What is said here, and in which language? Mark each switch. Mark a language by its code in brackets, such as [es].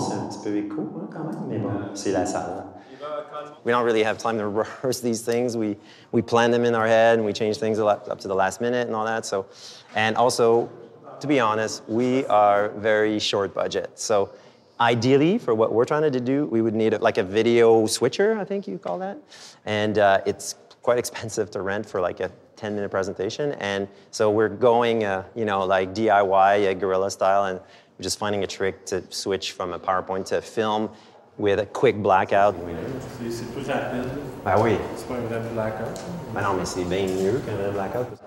[fr] C'est un petit peu écho, hein, quand même, mais bon, c'est la salle. [en] We don't really have time to rehearse these things. We plan them in our head, and we change things a lot up to the last minute and all that. So, and also, to be honest, we are very short budget. So ideally, for what we're trying to do, we would need like a video switcher, I think you call that. And it's quite expensive to rent for like a 10-minute presentation, and so we're going, you know, like DIY, guerrilla style, and we're just finding a trick to switch from a PowerPoint to film with a quick blackout. [fr] C'est plus rapide. Ah oui. C'est pas un vrai blackout. Ben non, mais c'est bien mieux qu'un vrai blackout.